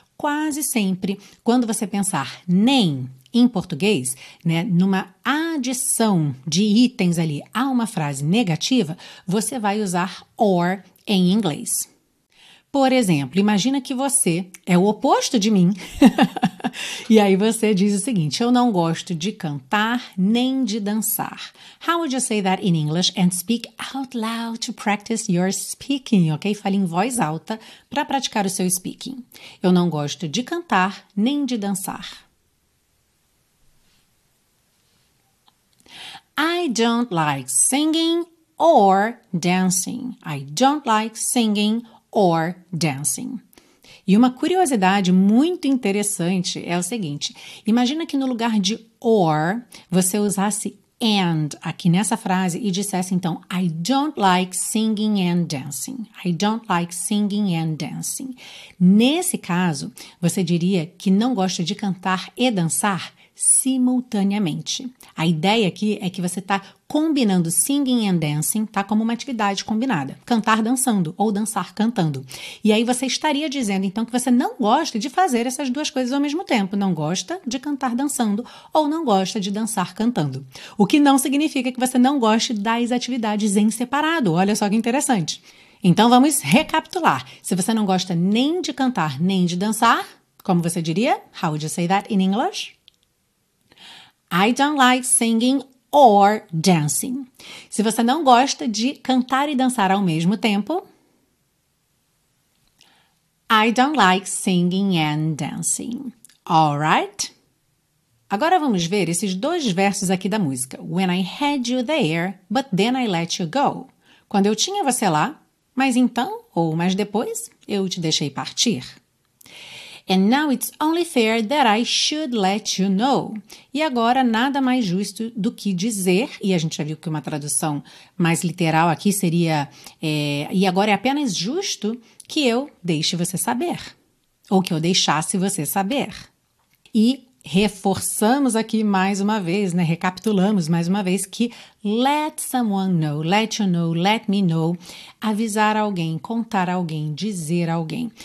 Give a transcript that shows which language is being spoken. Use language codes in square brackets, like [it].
[pt] Quase sempre, quando você pensar nem em português, né, numa adição de itens ali a uma frase negativa, você vai usar or em inglês. Por exemplo, imagina que você é o oposto de mim. E aí você diz o seguinte, eu não gosto de cantar nem de dançar. [en] How would you say that in English and speak out loud to practice your speaking, ok? [pt] Fale em voz alta para praticar o seu speaking. Eu não gosto de cantar nem de dançar. [en] I don't like singing or dancing. I don't like singing or dancing. [pt] E uma curiosidade muito interessante é o seguinte: imagina que no lugar de or, você usasse and aqui nessa frase e dissesse então, [en] I don't like singing and dancing. I don't like singing and dancing. [pt] Nesse caso, você diria que não gosta de cantar e dançar simultaneamente. A ideia aqui é que você está combinando [en] singing and dancing, [pt] tá, como uma atividade combinada, cantar dançando ou dançar cantando. E aí você estaria dizendo então que você não gosta de fazer essas duas coisas ao mesmo tempo, não gosta de cantar dançando ou não gosta de dançar cantando. O que não significa que você não goste das atividades em separado, olha só que interessante. Então vamos recapitular, se você não gosta nem de cantar nem de dançar, como você diria? [en] How would you say that in English? I don't like singing or dancing. [pt] Se você não gosta de cantar e dançar ao mesmo tempo, [en] I don't like singing and dancing. All right? [pt] Agora vamos ver esses dois versos aqui da música. [en] When I had you there, but then I let you go. [pt] Quando eu tinha você lá, mas então, ou mas depois, eu te deixei partir. [en] And now it's only fair that I should let you know. [pt] E agora nada mais justo do que dizer, e a gente já viu que uma tradução mais literal aqui seria e agora é apenas justo que eu deixe você saber, ou que eu deixasse você saber. E reforçamos aqui mais uma vez, né? Recapitulamos mais uma vez que [en] let someone know, let you know, let me know, [pt] avisar alguém, contar alguém, dizer alguém.